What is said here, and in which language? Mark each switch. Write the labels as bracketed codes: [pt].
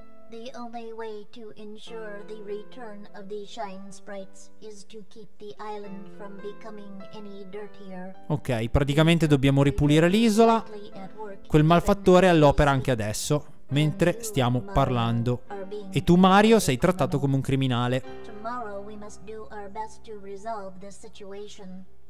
[en] The only way to ensure the return of the Shine Sprites is to keep the island from becoming any dirtier. [it] Ok, praticamente dobbiamo ripulire l'isola. Quel malfattore è all'opera anche adesso, mentre stiamo parlando. E tu, Mario, sei trattato come un criminale. [en] Tomorrow we must do our best to resolve this situation.